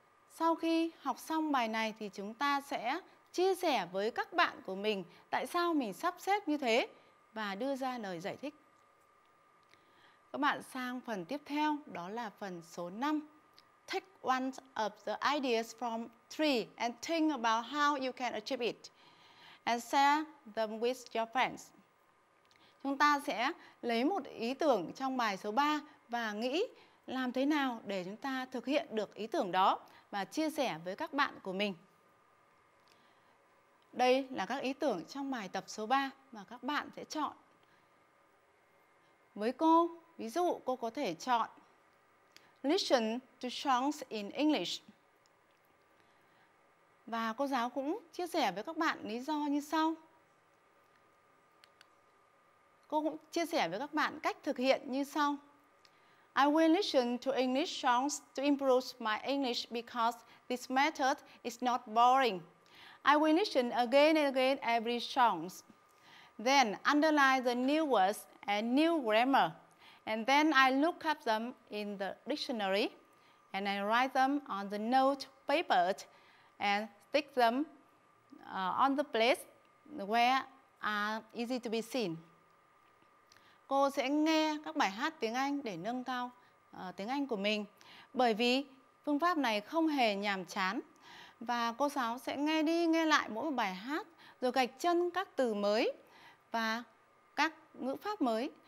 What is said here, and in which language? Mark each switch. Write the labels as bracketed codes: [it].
[vi] Sau khi học xong bài này thì chúng ta sẽ chia sẻ với các bạn của mình tại sao mình sắp xếp như thế và đưa ra lời giải thích. Các bạn sang phần tiếp theo, đó là phần số 5. [en] Take one of the ideas from three and think about how you can achieve it and share them with your friends. [vi] Chúng ta sẽ lấy một ý tưởng trong bài số 3 và nghĩ làm thế nào để chúng ta thực hiện được ý tưởng đó và chia sẻ với các bạn của mình. Đây là các ý tưởng trong bài tập số 3 mà các bạn sẽ chọn. Với cô, ví dụ cô có thể chọn [en] Listen to songs in English. [vi] Và cô giáo cũng chia sẻ với các bạn lý do như sau. Cô cũng chia sẻ với các bạn cách thực hiện như sau. [en] I will listen to English songs to improve my English because this method is not boring. I will listen again and again every song. Then underline the new words and new grammar. And then I look up them in the dictionary and I write them on the note paper and stick them on the place where are easy to be seen. [vi] Cô sẽ nghe các bài hát tiếng Anh để nâng cao tiếng Anh của mình. Bởi vì phương pháp này không hề nhàm chán. Và cô giáo sẽ nghe đi nghe lại mỗi một bài hát, rồi gạch chân các từ mới và các ngữ pháp mới.